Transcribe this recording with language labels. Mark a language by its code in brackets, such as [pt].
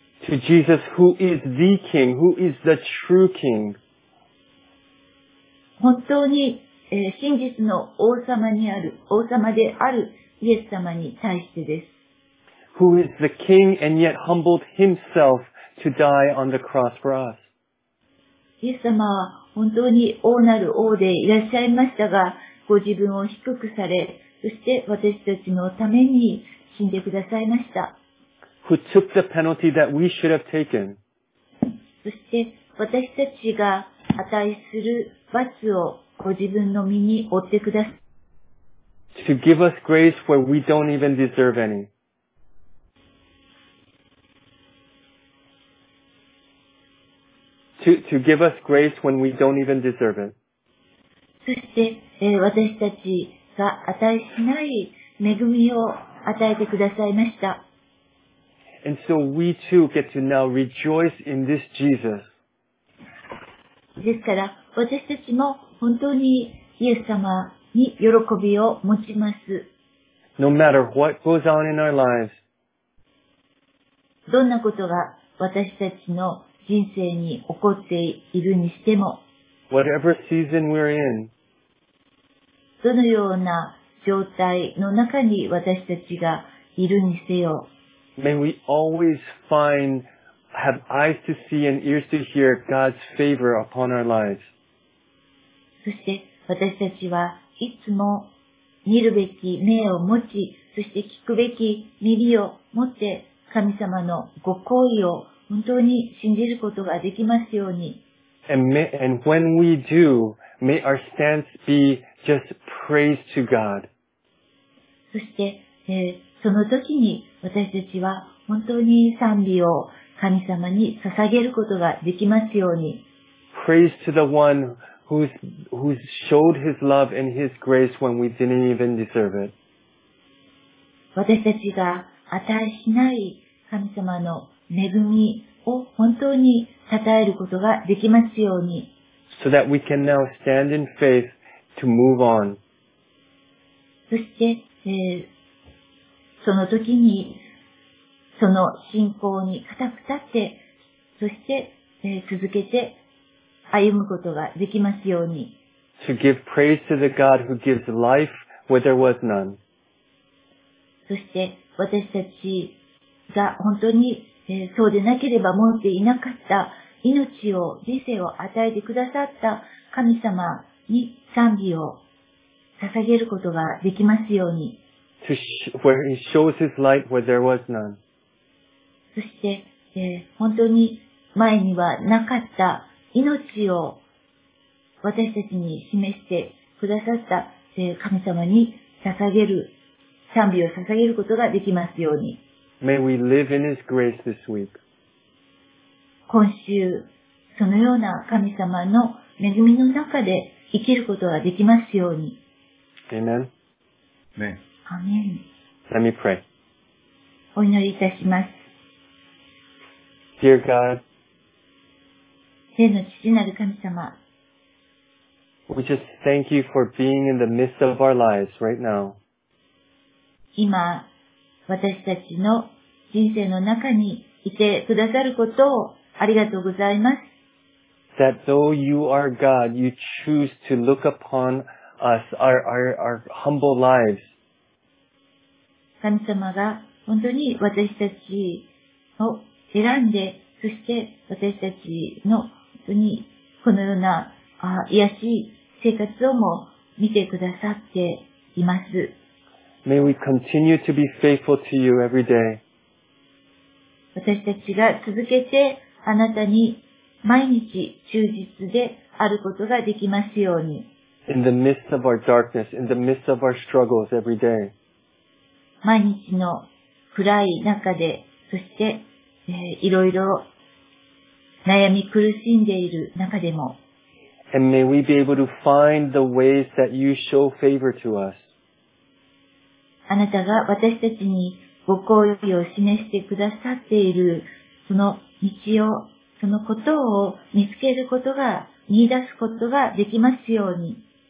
[en] To Jesus who is the King, who is the true King. [ja] 本当に、真実の王様にある、王様であるイエス様に対してです。 [en] Who is the king and yet humbled himself to die on the cross for us? [ja] イエス様は本当に王なる王でいらっしゃいましたが、ご自分を低くされ、そして私たちのために死んでくださいました。 [en] who took the penalty that we should have taken. [ja] そして私たちが値する罰をご自分の身に負ってください。 [en] To give us grace where we don't even deserve any. To give us grace when we don't even deserve it. [ja] そして、私たちが値しない恵みを与えてくださいました。 [en] And so we too get to now rejoice in this Jesus. [ja] ですから、私たちも本当にイエス様に喜びを持ちます。 [en] No matter what goes on in our lives. [ja] どんなことが私たちの人生に起こっているにしても。 [en] Whatever season we're in. [ja] どのような状態の中に私たちがいるにせよ。 [en] May we always find, have eyes to see and ears to hear God's favor upon our lives. [ja] そして私たちはいつも見るべき目を持ち、そして聞くべき耳を持って神様のご好意を本当に信じることができますように。 [en] And when we do, may our stance be just praise to God. [ja] そして、その時に私たちは本当に賛美を神様に捧げることができますように。 [en] Praise to the one who's showed his love and his grace when we didn't even deserve it. [ja] 私たちが値しない神様の恵みを本当に讃えることができますように。 [en] So that we can now stand in faith to move on. [ja] そして、その時に、その信仰に固く立って、そして、続けて歩むことができますように。 [en] To give praise to the God who gives life where there was none. [ja] そして、私たちが本当に、そうでなければ持っていなかった命を、人生を与えてくださった神様に賛美を捧げることができますように。 [en] Where he shows his light where there was none. [ja] そして、本当に前にはなかった命を私たちに示してくださった、神様に捧げる、賛美を捧げることができますように。 [en] May we live in his grace this week. [ja] 今週、そのような神様の恵みの中で生きることができますように。 [en] Amen. Amen. Let me pray. [ja] お祈りいたします。 [en] Dear God, [ja] 天の父なる神様、 [en] We just thank you for being in the midst of our lives right now. [ja] 今、私たちの人生の中にいてくださることをありがとうございます。 [en] That though you are God, you choose to look upon us, our humble lives. [ja] 神様が本当に私たちを選んで、そして私たちの本当にこのような卑しい生活をも見てくださっています。 [en] May we continue to be faithful to you every day. [ja] 私たちが続けてあなたに毎日忠実であることができますように。 [en] In the midst of our darkness, in the midst of our struggles every day. [ja] 毎日の暗い中で、そして、いろいろ悩み苦しんでいる中でも。 [en] And may we be able to find the ways that you show favor to us. [ja] あなたが私たちにご好意を示してくださっている、その道を、そのことを見つけることが、見出すことができますように。